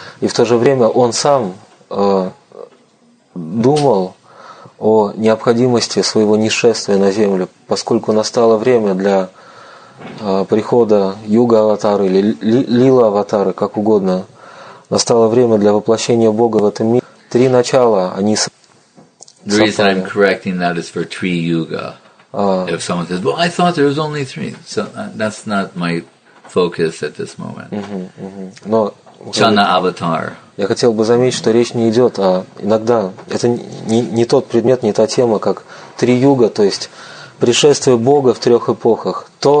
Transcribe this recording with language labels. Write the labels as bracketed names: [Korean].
[Russian] И в то же время Он сам думал о необходимости своего нишествия на землю, поскольку настало время для прихода Юга-аватары или Лила-аватары, как угодно. Настало время для воплощения Бога в этом мире. Три начала, они [English] The reason I'm correcting that is for Tri Yuga. If someone says, "Well, I thought there was only three," so that's not my focus at this moment. [Russian] Но [Sanskrit] Channa Avatar. [Russian] Я хотел бы заметить, что речь не идет, а иногда это не тот предмет, не та тема, как Tri Yuga, то есть пришествие Бога в трех эпохах.